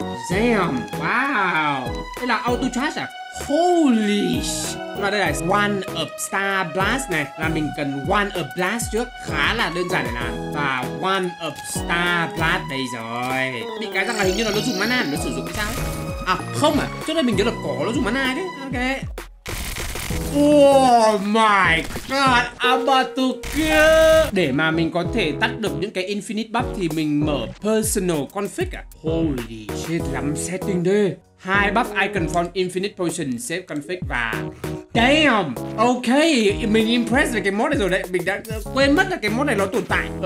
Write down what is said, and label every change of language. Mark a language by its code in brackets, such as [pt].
[en] Damn, wow. [vi] Đây là auto charge à? [en] Holy shit. [vi] Và đây là one of star blast này. Là mình cần one of blast trước. Khá là đơn giản này nè. Và one of star blast đây rồi. Bị cái răng là hình như là nó dùng mana. Nó sử dụng cái sao? À không à, trước đây mình nhớ là có nó dùng mana chứ. Ok. [en] Oh my god, I'm about to kill. [vi] Để mà mình có thể tắt được những cái infinite buff thì mình mở personal config à? [en] Holy shit, [vi] lắm setting đi. Hai buff [en] icon for infinite potion, save config [vi] và damn. Ok, mình impressed về cái mod này rồi đấy. Mình đã quên mất là cái mod này nó tồn tại.